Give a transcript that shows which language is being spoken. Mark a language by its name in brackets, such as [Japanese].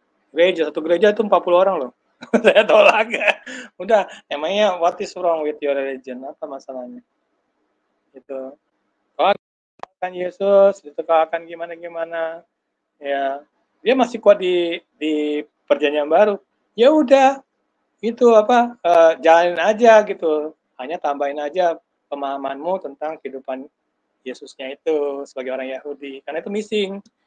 [Indonesian] Gereja, 1 gereja itu 40 orang loh. Saya tolak. Udah, emangnya [English] what is wrong with your religion? [Indonesian] Apa masalahnya? Gitu. Kau akan Yesus, itu kau akan gimana-gimana. Ya, dia masih kuat di perjanjian baru. Ya udah, itu jalanin aja gitu. Hanya tambahin aja pemahamanmu tentang kehidupan Yesusnya itu sebagai orang Yahudi. Karena itu missing.